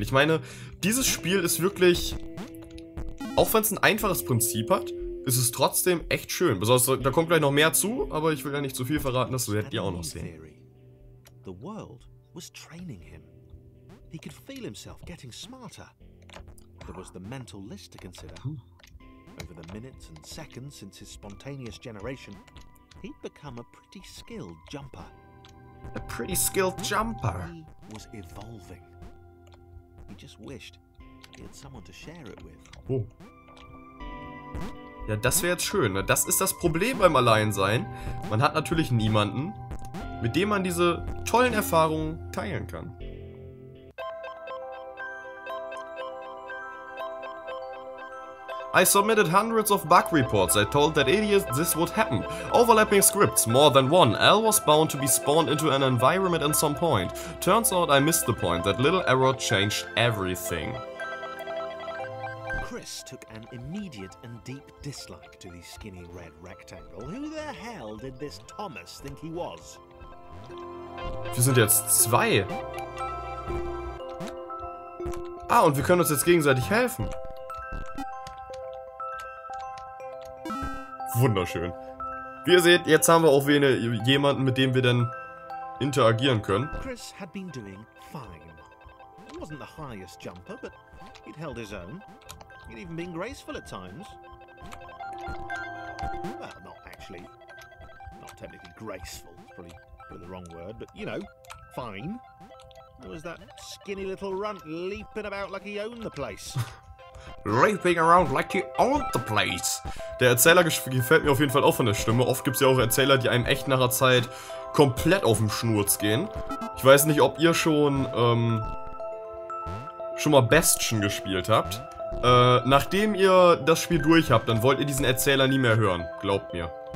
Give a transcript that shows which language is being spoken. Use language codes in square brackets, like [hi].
[de] Ich meine, dieses Spiel ist wirklich, auch wenn es ein einfaches Prinzip hat, ist es trotzdem echt schön. Besonders, da kommt gleich noch mehr zu, aber ich will ja nicht zu viel verraten, das werdet ihr auch noch sehen. [en] The world was training him. He could feel himself getting smarter. There was the mental list to consider. Over the minutes and seconds since his spontaneous generation, he'd become a pretty skilled jumper. A pretty skilled jumper. He was evolving. He just wished he had someone to share it with. Oh. [de] Ja, das wäre jetzt schön, ne? Das ist das Problem beim Alleinsein. Man hat natürlich niemanden, mit dem man diese tollen Erfahrungen teilen kann. [en] I submitted hundreds of bug reports. I told that idiot this would happen. Overlapping scripts, more than one. L was bound to be spawned into an environment at some point. Turns out I missed the point. That little error changed everything. Chris took an immediate and deep dislike to the skinny red rectangle. Who the hell did this Thomas think he was? [de] Wir sind jetzt zwei. Ah, und wir können uns jetzt gegenseitig helfen. Wunderschön. Wie ihr seht, jetzt haben wir auch jemanden, mit dem wir dann interagieren können. [en] Chris had been doing fine. He wasn't the highest jumper, but he'd held his own. He'd even been graceful at times. Well, not actually. Not technically graceful. Probably put the wrong word, but you know, fine. There was that skinny little runt leaping about like he owned the place. Raping around like he owned the place. [de] Der Erzähler gefällt mir auf jeden Fall auch von der Stimme. Oft gibt es ja auch Erzähler, die einem echt nach der Zeit komplett auf den Schnurz gehen. Ich weiß nicht, ob ihr schon mal Bastion gespielt habt. Nachdem ihr das Spiel durch habt, dann wollt ihr diesen Erzähler nie mehr hören. Glaubt mir.